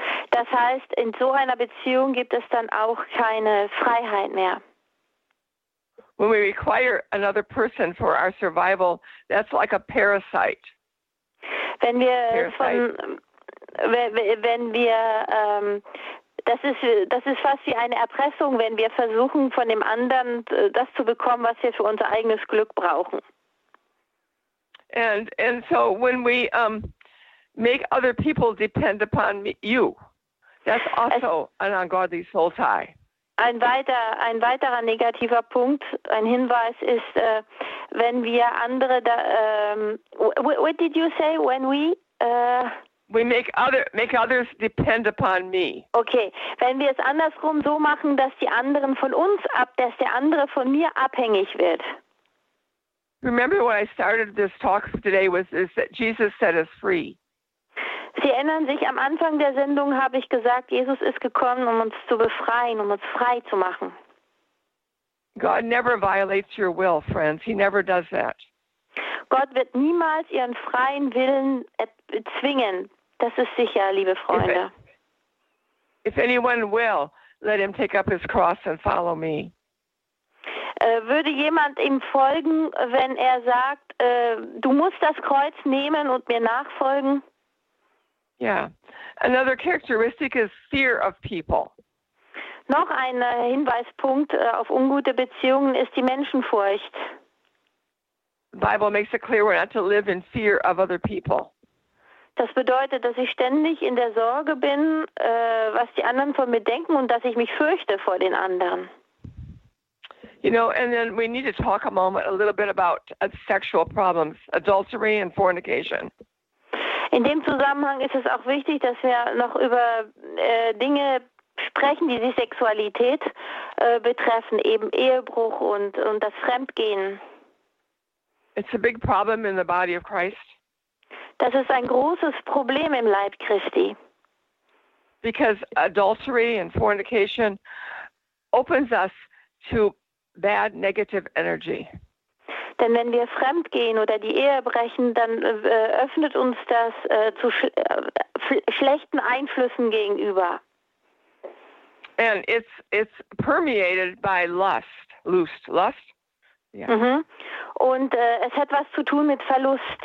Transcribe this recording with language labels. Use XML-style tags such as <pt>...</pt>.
<de>Das heißt, in so einer Beziehung gibt es dann auch keine Freiheit mehr.</de> <en>when we require another person for our survival, that's like a parasite.</en> <de>Das ist fast wie eine Erpressung, wenn wir versuchen, von dem anderen das zu bekommen, was wir für unser eigenes Glück brauchen.</de> <en>And so when we make other people depend upon you, that's also an ungodly soul tie.</en> <de>Ein weiterer negativer Punkt, ein Hinweis ist, wenn wir andere da,</de> <en>what did you say? When we make others depend upon me.</en> <de>Okay, wenn wir es andersrum so machen, dass die anderen von uns ab, dass der andere von mir abhängig wird.</de> <en>Remember when I started this talk today was is that Jesus set us free.</en> <de>Sie erinnern sich, am Anfang der Sendung habe ich gesagt, Jesus ist gekommen, um uns zu befreien, um uns frei zu machen.</de> <en>God never violates your will, friends. He never does that.</en> <de>Gott wird niemals ihren freien Willen zwingen. Das ist sicher, liebe Freunde.</de> <en>If anyone will, let him take up his cross and follow me.</en> <de>Würde jemand ihm folgen, wenn er sagt, du musst das Kreuz nehmen und mir nachfolgen?</de> <en>Yeah. Another characteristic is fear of people.</en> <de>Noch ein Hinweispunkt auf ungute Beziehungen ist die Menschenfurcht.</de> <en>The Bible makes it clear we're not to live in fear of other people.</en> <de>Das bedeutet, dass ich ständig in der Sorge bin, was die anderen von mir denken und dass ich mich fürchte vor den anderen.</de> <en>You know, and then we need to talk a moment a little bit about sexual problems, adultery and fornication.</en> <de>In dem Zusammenhang ist es auch wichtig, dass wir noch über Dinge sprechen, die die Sexualität betreffen, eben Ehebruch und das Fremdgehen.</de> <en>It's a big problem in the body of Christ.</en> <de>Das ist ein großes Problem im Leib Christi.</de> <en>Because adultery and fornication opens us to bad negative energy.</en> <de>Denn wenn wir fremdgehen oder die Ehe brechen, dann öffnet uns das zu schlechten Einflüssen gegenüber.</de> <en>And it's permeated by lust. Yeah. Mm-hmm.</en> <de>Und es hat was zu tun mit Verlust.</de>